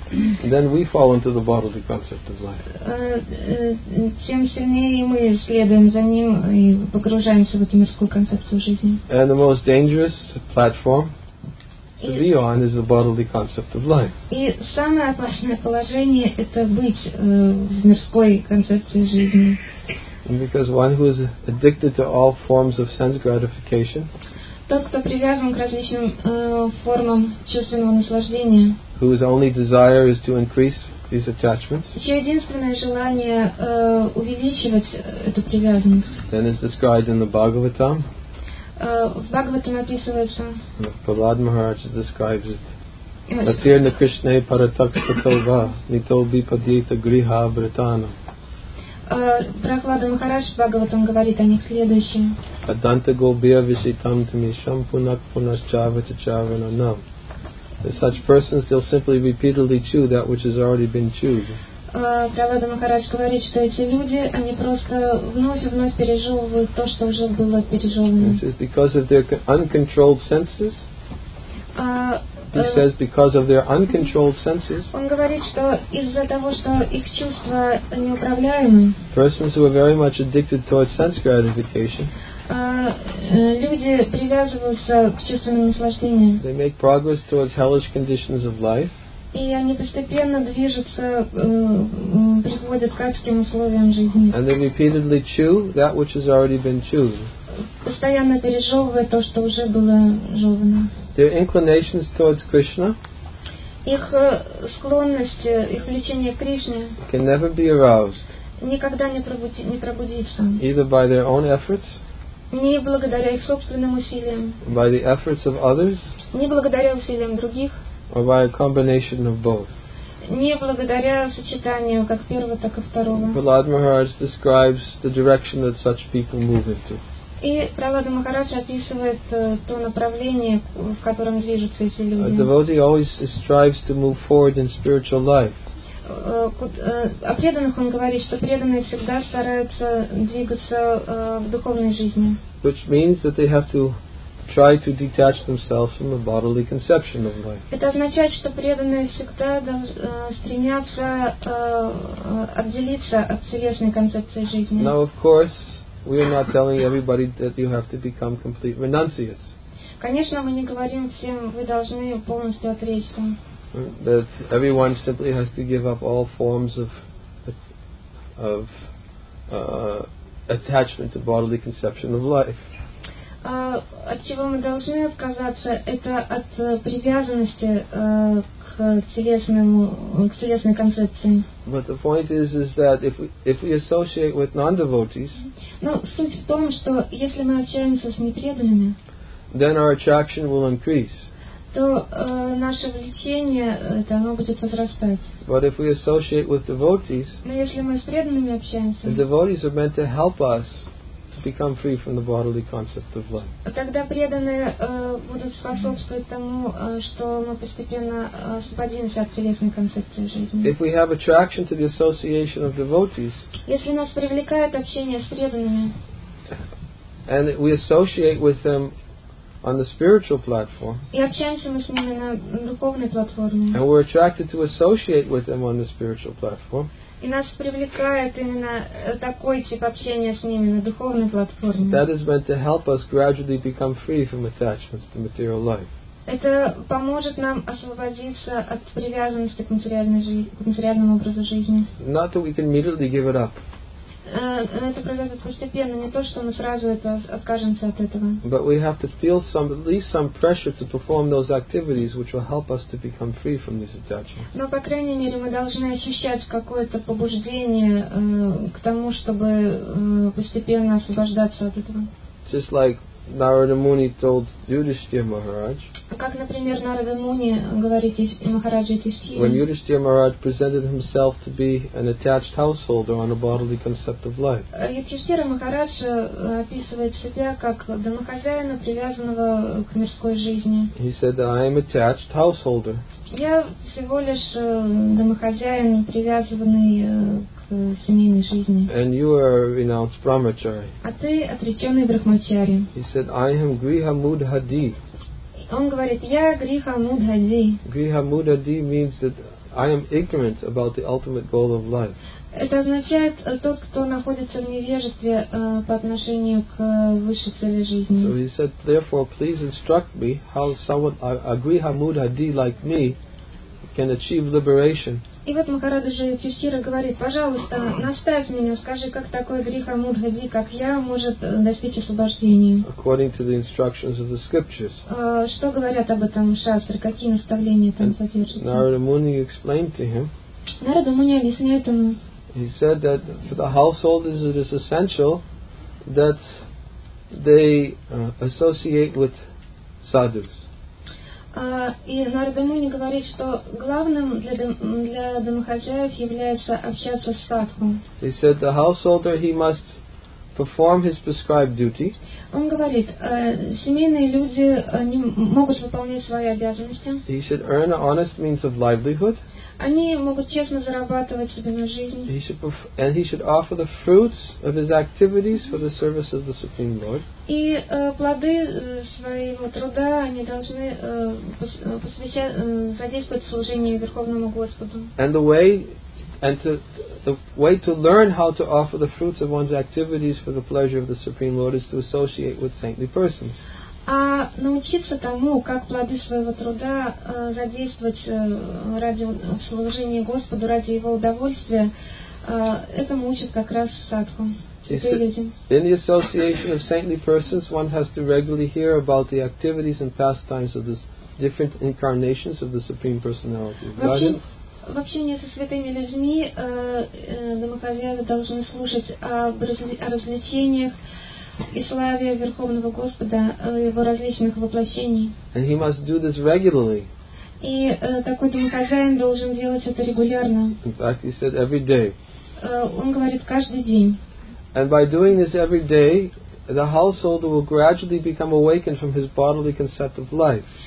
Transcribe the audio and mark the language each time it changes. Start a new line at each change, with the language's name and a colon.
English: then we fall into the bodily concept of life.
Russian: Тем сильнее мы следуем за ним и погружаемся в эту мирскую концепцию жизни.
English: And the most dangerous platform to be on is the bodily concept of life.
Russian: И самое опасное положение – это быть в мирской концепции жизни.
English: Because one who is addicted to all forms of sense gratification,
Russian: тот, кто привязан к различным формам чувственного наслаждения,
English: whose only desire is to increase these attachments,
Russian: чье единственное желание увеличивать эту привязанность,
English: then is described in the Bhagavatam.
Russian: В Бхагаватам описывается. Прахлад Махарадж
English: describes it. Атир на Кришне паратакспатолва нитолби падита гриха абритана.
Russian: Прахлада Махарадж в Бхагаватам говорит о них следующее. Аданта голбия виситам тамишам пунак пунас чава чачава нанам.
English: Such persons, they'll simply repeatedly chew that which has already been chewed.
Russian: Прахлада Махарадж говорит, что эти люди, они просто вновь и вновь пережевывают то, что уже было пережевано.
English: He says, because of their uncontrolled senses. He says, because of their uncontrolled senses.
Russian: Он говорит, что из-за того, что их чувства неуправляемы.
English: Persons who are very much addicted towards sense gratification.
Russian: Люди привязываются к чувственным наслаждениям.
English: They make progress towards hellish conditions of life.
Russian: И они постепенно движутся, приходят к адским условиям жизни.
English: And they repeatedly chew that which has already been chewed.
Russian: Постоянно пережевывая то, что уже было жевано.
English: Their inclinations towards Krishna.
Russian: Их склонности, их влечение к Кришне.
English: Can never be aroused.
Russian: Никогда не пробудится.
English: Either by their own efforts.
Russian: Не благодаря их собственным усилиям.
English: By the efforts of others.
Russian: Не благодаря усилиям других.
English: Or by a combination of both.
Russian: Не благодаря сочетанию как первого, так и второго.
English: Prahlad Maharaj describes the direction that such people move into.
Russian: И Прахлада Махарадж описывает то направление, в котором движутся эти люди.
English: A devotee always strives to move forward in spiritual life.
Russian: О преданных он говорит, что преданные всегда стараются двигаться в духовной жизни.
English: Which means that they have to try to detach themselves from the bodily conception of life.
Russian: Это означает, что преданные всегда стремятся отделиться от телесной концепции жизни.
English: Now, of course, we are not telling everybody that you have to become complete renunciates.
Russian: Конечно, мы не говорим всем, вы должны полностью отречься.
English: That everyone simply has to give up all forms of attachment to bodily conception of life.
Russian: От чего мы должны отказаться, это от привязанности к телесной концепции.
English: But the point is that if we associate with non-devotees,
Russian: но суть в том, что если мы общаемся с непреданными,
English: then our attraction will increase.
Russian: То наше влечение, это оно будет возрастать.
English: But if we associate with devotees,
Russian: но если мы с преданными общаемся,
English: the devotees are meant to help us become free from the bodily concept of life.
Russian: Тогда преданные будут способствовать тому, что мы постепенно освободимся от телесной концепции жизни.
English: If we have attraction to the association of devotees,
Russian: если нас привлекает общение с преданными,
English: and we associate with them on the spiritual platform,
Russian: и общаемся мы с ними на духовной платформе,
English: and we're attracted to associate with them on the spiritual platform.
Russian: И нас привлекает именно такой тип общения с ними на духовной платформе.
English: That is meant to help us gradually become free from attachments to material life.
Russian: Это поможет нам освободиться от привязанности к материальному образу жизни.
English: Not that we can immediately give it up.
Russian: Это произойдет постепенно, не то, что мы сразу это откажемся от этого.
English: But we have to feel at least some pressure to perform those activities, which will help us to become free from these attachments.
Russian: Но по крайней мере мы должны ощущать какое-то побуждение к тому, чтобы постепенно освобождаться от этого.
English: Just like Narada Muni told Yudhishthira Maharaj,
Russian: как, например, Narada Muni говорит Махараджу Юдхиштхире,
English: when Yudhishthira Maharaj presented himself to be an attached householder on a bodily concept of life.
Russian: Юдхиштхира Махарадж описывает себя как домохозяина, привязанного к мирской жизни.
English: He said, I am attached householder.
Russian: Я всего лишь домохозяин, привязанный к семейной жизни.
English: And you are renounced brahmachari.
Russian: А ты отреченный брахмачари.
English: He said, I am Griha Mudhadi.
Russian: Он говорит, я Гриха Мудхади.
English: Griha Mudhadi means that I am ignorant about the ultimate goal of life.
Russian: Это означает тот, кто находится в невежестве по отношению к высшей цели жизни.
English: So he said, therefore, please instruct me how someone, a Griha Mudhadi like me, can achieve liberation.
Russian: И вот Махараджа Юдхиштхира говорит, пожалуйста, наставь меня, скажи, как такой Гриха Мудхади, как я, может достичь освобождения.
English: According to the instructions of the scriptures.
Russian: Что говорят об этом шастры, какие наставления там содержатся?
English: Narada Muni explained to him.
Russian: Narada Muni объясняет ему.
English: He said that for the householders it is essential that they associate with sadhus.
Russian: И Narada Muni говорит, что главным для домохозяев является общаться с садху.
English: He said the householder he must perform his prescribed duty.
Russian: Он говорит, семейные люди не могут выполнять свои обязанности.
English: He should earn an honest means of livelihood.
Russian: Они могут честно зарабатывать себе на жизнь.
English: And he should offer the fruits of his activities for the service of the Supreme Lord.
Russian: И плоды своего труда они должны задействовать в служении Верховному Господу.
English: And the way to learn how to offer the fruits of one's activities for the pleasure of the Supreme Lord is to associate with saintly persons.
Russian: А научиться тому, как плоды своего труда задействовать ради служения Господу, ради его удовольствия, этому учат как раз садху.
English: In the association of saintly persons, one has to regularly hear about the activities and pastimes of the different incarnations of the Supreme Personality of Godhead.
Russian: В общении со святыми людьми домохозяева должны слушать о развлечениях и славе Верховного Господа, о его различных воплощениях. И такой домохозяин должен делать это регулярно.
English: In fact, he said every day.
Russian: Он говорит каждый день.
English: And by doing this every day, the householder will gradually become awakened from his bodily concept of life.